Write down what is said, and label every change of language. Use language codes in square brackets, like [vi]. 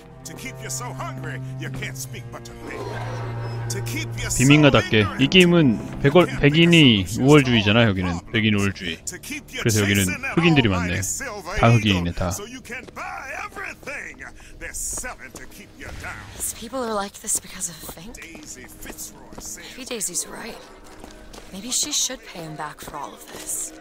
[en] To keep you so hungry, you can't speak but to me. [ko] 비민가답게 이 게임은 백인이 우월주의잖아. 여기는 백인 우월주의. 그래서 여기는 흑인들이 많네. 다 흑인이네 다. [en] These people are like this because of Fink. Maybe Daisy's right. Maybe she should pay him back for all of this.